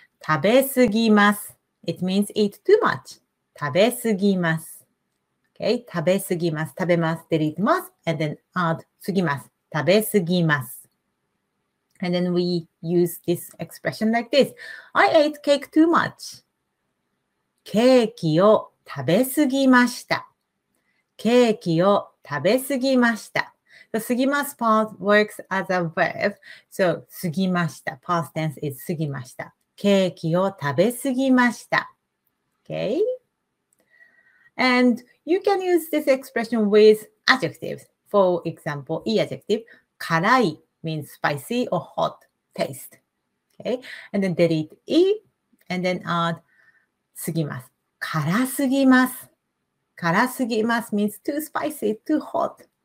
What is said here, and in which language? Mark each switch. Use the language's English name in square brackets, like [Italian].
[Japanese] 食べ過ぎます. [English] It means eat too much. 食べ過ぎます. Okay, [Japanese] 食べ過ぎます, 食べます, [English] delete ます, and then add 過ぎます. [Japanese] 食べ過ぎます。 [English] And then we use this expression like this. I ate cake too much. [Japanese] ケーキを食べすぎました。ケーキを食べすぎました。 [English] The すぎます part works as a verb. So, すぎました。 Past tense is すぎました。 [Japanese] ケーキを食べすぎました。 [English] Okay? And you can use this expression with adjectives. For example, いい adjective, 辛い。Means spicy or hot taste. Okay, and then delete e and then add sugimasu. [Japanese] Kara sugimasu. Kara sugimasu [English] means too spicy, too hot.